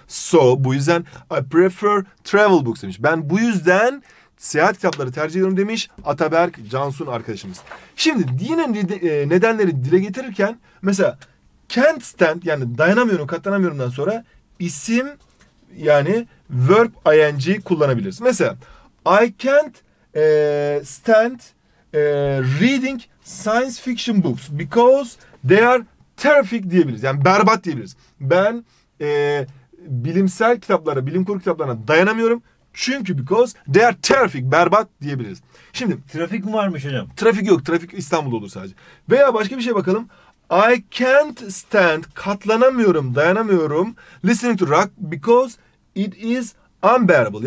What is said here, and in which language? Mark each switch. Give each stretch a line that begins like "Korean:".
Turkish: So, bu yüzden
English: I prefer travel books
Turkish: demiş. Ben bu yüzden seyahat kitapları tercih ediyorum demiş Ataberk Cansun arkadaşımız. Şimdi yine nedenleri dile getirirken mesela can't stand yani dayanamıyorum, katlanamıyorumdan sonra isim yani verb ing kullanabiliriz. Mesela
English: I can't stand reading science fiction books because they are terrific
Turkish: diyebiliriz. Yani berbat diyebiliriz. Ben bilimsel kitaplara, bilim kurgu kitaplarına dayanamıyorum. Çünkü
English: because they are terrific,
Turkish: berbat diyebiliriz. Şimdi trafik mi varmış hocam? Trafik yok. Trafik İstanbul'da olur sadece. Veya başka bir şey bakalım.
English: I can't stand,
Turkish: katlanamıyorum, dayanamıyorum
English: listening to rock because it is unbearable.